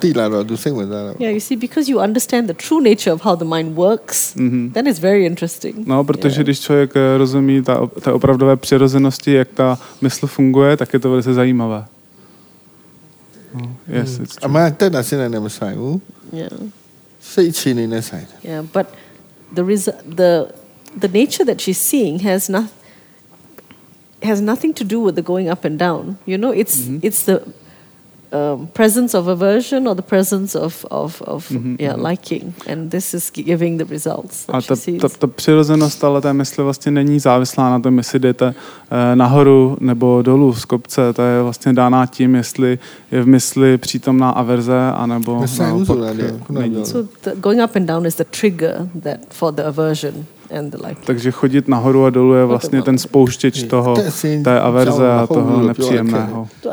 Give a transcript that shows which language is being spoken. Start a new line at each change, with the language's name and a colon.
English: Yeah, you see, because you understand the true nature of how the mind works, then it's very interesting.
Czech: No, protože když člověk rozumí ta opravdové přirozenosti, jak ta mysl funguje, tak je to velice zajímavé.
English: Yes, it's true. A má ten asi nemyslí, u? Yeah. Se činí nesmí. Yeah, but the nature that she's seeing has nothing to do with the going up and down. You know, it's it's the presence of aversion or the presence of liking, and this is giving the results.
Czech: A ta přirozenost, ale ta mysl vlastně není závislá na tom, jestli jdete nahoru nebo dolů z kopce. To je vlastně daná tím, jestli je v mysli přítomná averze anebo naopak.
English: So going up and down is the trigger that for the aversion.
Czech: Takže chodit nahoru a dolů je vlastně ten spouštěč toho, té averze a toho nepříjemného.